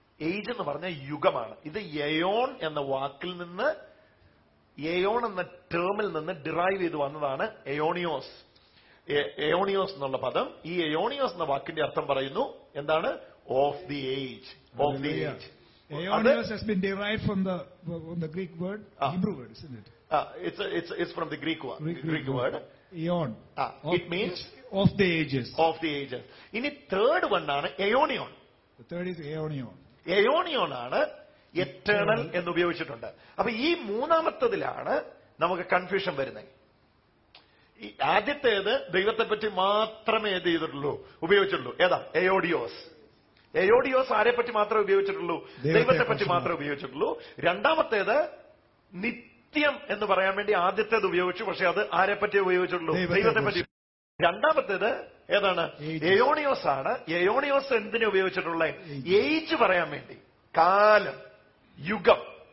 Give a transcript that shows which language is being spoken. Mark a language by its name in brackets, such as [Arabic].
[Malayalam] Age എന്ന് പറഞ്ഞ യുഗമാണ്. ഇത് എയോൺ എന്ന വാക്കിൽ നിന്ന്, എയോൺ എന്ന ടേമിൽ നിന്ന് ഡിറൈവ് ചെയ്ത് വന്നതാണ് എയോണിയോസ്. എയോണിയോസ് എന്നുള്ള പദം, ഈ എയോണിയോസ് എന്ന വാക്കിന്റെ അർത്ഥം പറയുന്നു എന്താണ്? [English] Of the age. Of the age Aeonios has been derived from the Greek word, Hebrew word, isn't it? It's from the Greek word. Greek word. Aeon. It means? Of the ages. Of the ages. In the third one, Aeonion. The third is Aeonion. Aeonion is eternal. So, in these three words, we have confusion. The first one is the only one who has been used. Aeodios. [Malayalam] എയോഡിയോസ് ആരെ പറ്റി മാത്രമേ ഉപയോഗിച്ചിട്ടുള്ളൂ? ദൈവത്തെ പറ്റി മാത്രമേ ഉപയോഗിച്ചിട്ടുള്ളൂ. രണ്ടാമത്തേത് നിത്യം എന്ന് പറയാൻ വേണ്ടി ആദ്യത്തേത് ഉപയോഗിച്ചു, പക്ഷെ അത് ആരെ പറ്റി ഉപയോഗിച്ചിട്ടുള്ളൂ? ദൈവത്തെ പറ്റി. രണ്ടാമത്തേത് ഏതാണ്? എയോണിയോസ് ആണ്. എയോണിയോസ് എന്തിനെ ഉപയോഗിച്ചിട്ടുള്ള? ഏജ് പറയാൻ വേണ്ടി, കാലം, യുഗം.